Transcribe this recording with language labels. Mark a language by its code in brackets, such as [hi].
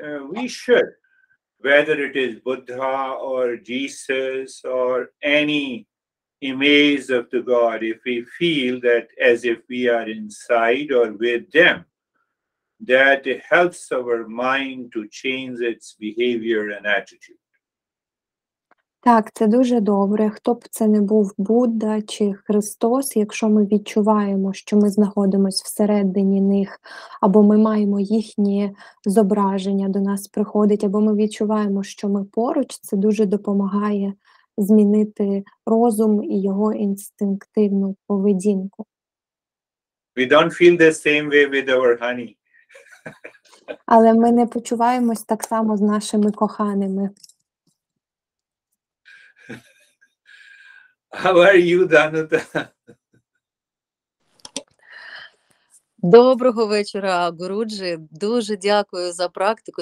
[en] We should, whether it is Buddha or Jesus or any image of the God, if we feel that as if we are inside or with them, that helps our mind to change its behavior and attitude. [uk] Так, це дуже добре. Хто б це не був, Будда чи Христос, якщо ми відчуваємо, що ми знаходимося всередині них, або ми маємо їхні зображення, до нас приходить, або ми відчуваємо, що ми поруч, це дуже допомагає змінити розум і його інстинктивну поведінку. [en] We don't feel the same way with our honey. [uk] Але ми не почуваємось так само з нашими коханими. [en] How are you, Данута? [uk] Доброго вечора, Гуруджі. Дуже дякую за практику.